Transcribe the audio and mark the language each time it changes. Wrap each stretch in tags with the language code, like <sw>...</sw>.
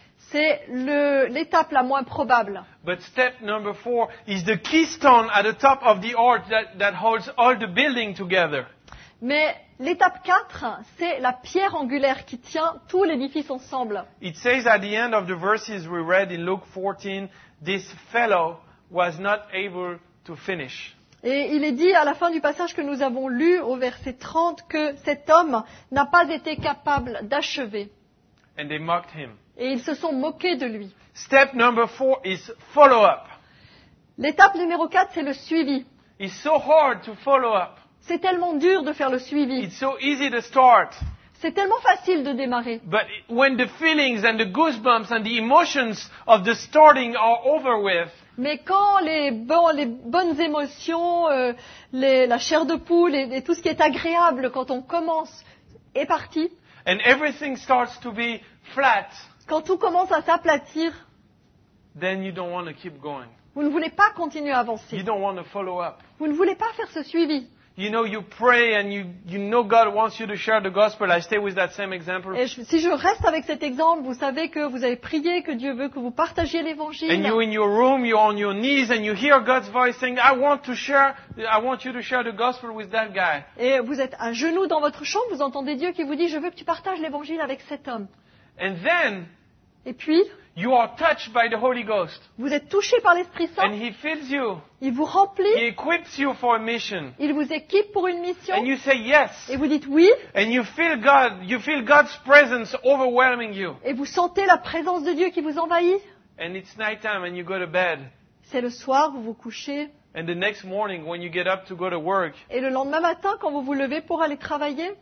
<fr>C'est l'étape la moins probable.</fr> <en>But step number 4 is the keystone at the top of the arch that holds all the building together.</en> <fr>Mais l'étape 4, c'est la pierre angulaire qui tient tout l'édifice ensemble.</fr> <en>It says at the end of the verses we read in Luke 14, this fellow was not able to finish.</en> <fr>Et il est dit à la fin du passage que nous avons lu au verset 30 que cet homme n'a pas été capable d'achever.</fr> <en>And they mocked him.</en> <fr>Et ils se sont moqués de lui.</fr> <en>Step number 4 is follow up.</en> <fr>L'étape numéro 4, c'est le suivi.</fr> <en>It's so hard to follow up.</en> <fr>C'est tellement dur de faire le suivi.</fr> <en>It's so easy to start.</en> <fr>C'est tellement facile de démarrer.</fr> <en>But when the feelings and the goosebumps and the emotions of the starting are over with.</en> <fr>Mais quand les bonnes émotions, la chair de poule et tout ce qui est agréable quand on commence est parti.</fr> <en>And everything starts to be flat.</en> <fr>Quand tout commence à s'aplatir.</fr> <en>Then you don't want to keep going.</en> <fr>Vous ne voulez pas continuer à avancer.</fr> <en>You don't want to follow up.</en> <fr>Vous ne voulez pas faire ce suivi.</fr> <en>You know, you pray and you know God wants you to share the gospel. I stay with that same example.</en> <fr>Et si je reste avec cet exemple, vous savez que vous avez prié que Dieu veut que vous partagiez l'évangile.</fr> <en>And you're in your room, you're on your knees and you hear God's voice saying, I want you to share the gospel with that guy.</en> <fr>Et vous êtes à genoux dans votre chambre, vous entendez Dieu qui vous dit, je veux que tu partages l'évangile avec cet homme.</fr> <en>And then.</en> <fr>Et puis.</fr> <en>You are touched by the Holy Ghost.</en> <fr>Vous êtes touché par l'Esprit Saint.</fr> <en>And he fills you.</en> <fr>Il vous remplit.</fr> <en>He equips you for a mission.</en> <fr>Il vous équipe pour une mission.</fr> <en>And you say yes.</en> <fr>Et vous dites oui.</fr> <en>And you feel God's presence overwhelming you.</en> <fr>Et vous sentez la présence de Dieu qui vous envahit.</fr> <en>And it's night time and you go to bed.</en> <fr>C'est le soir, vous vous couchez.</fr> <en>And the next morning when you get up to go to work.</en> <fr>Et le lendemain matin quand vous vous levez pour aller travailler.</fr>